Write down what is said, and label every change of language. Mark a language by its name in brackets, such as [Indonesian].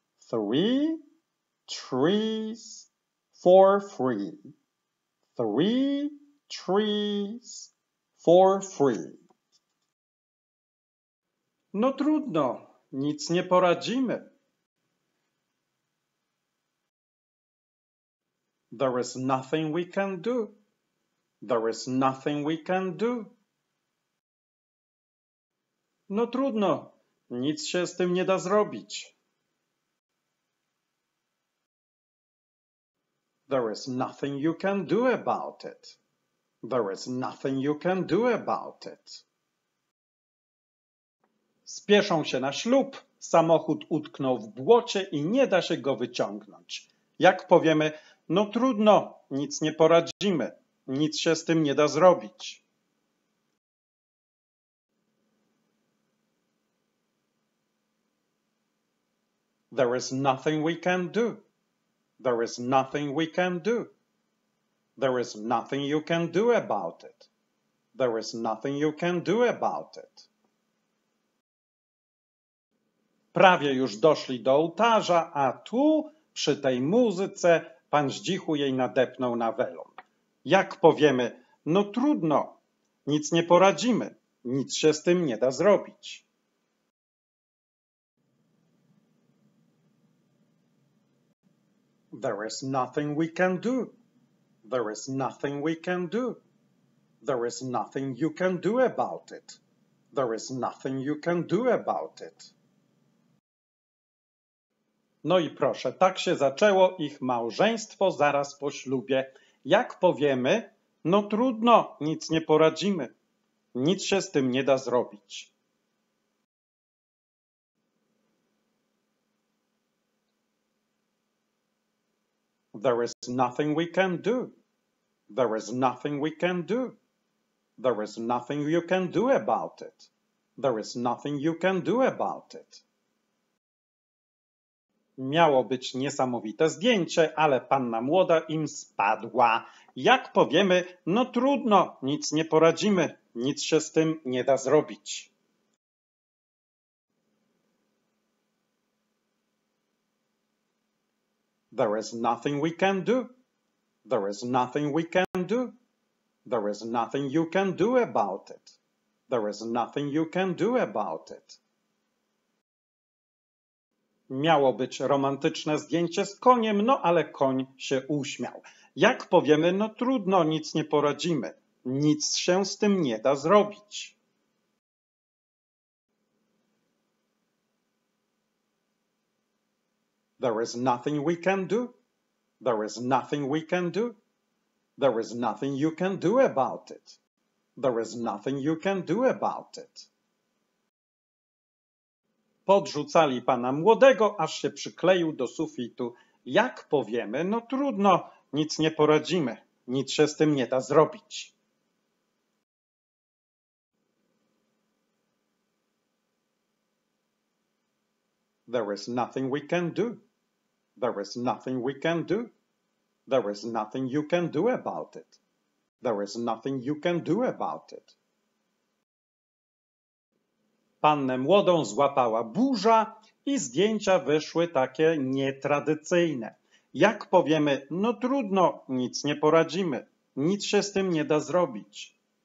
[English] Three trees for free. Three trees for free. [Polish] No trudno, nic nie poradzimy. [English] There is nothing we can do. There is nothing we can do. [Polish] No trudno, nic się z tym nie da zrobić. [English] There is nothing you can do about it. There is nothing you can do about it. [Polish] Spieszą się na ślub, samochód utknął w błocie i nie da się go wyciągnąć. Jak powiemy, no trudno, nic nie poradzimy, nic się z tym nie da zrobić. [English] There is nothing we can do. There is nothing we can do. There is nothing you can do about it. There is nothing you can do about it. [Polish] Prawie już doszli do ołtarza, a tu, przy tej muzyce, pan Zdzichu jej nadepnął na welon. Jak powiemy, no trudno, nic nie poradzimy, nic się z tym nie da zrobić. [English] There is nothing we can do. There is nothing we can do. There is nothing you can do about it. There is nothing you can do about it. [Polish] No i proszę, tak się zaczęło ich małżeństwo zaraz po ślubie. Jak powiemy, no trudno, nic nie poradzimy. Nic się z tym nie da zrobić. [English] There is nothing we can do. There is nothing we can do. There is nothing you can do about it. There is nothing you can do about it. [Polish] Miało być niesamowite zdjęcie, ale panna młoda im spadła. Jak powiemy, no trudno, nic nie poradzimy, nic się z tym nie da zrobić. [English] There is nothing we can do. There is nothing we can do. There is nothing you can do about it. There is nothing you can do about it. [Polish] Miało być romantyczne zdjęcie z koniem, no ale koń się uśmiał. Jak powiemy, no trudno, nic nie poradzimy. Nic się z tym nie da zrobić. [English] There is nothing we can do. There is nothing we can do. There is nothing you can do about it. There is nothing you can do about it. [Polish] Podrzucali pana młodego, aż się przykleił do sufitu. Jak powiemy, no trudno, nic nie poradzimy, nic się z tym nie da zrobić. [English] There is nothing we can do. There is nothing we can do. There is nothing you can do about it. There is nothing you can do about it. [Polish] Pannę młodą złapała burza i zdjęcia wyszły takie nietradycyjne. Jak powiemy, no trudno, nic nie poradzimy, nic się z tym nie da zrobić.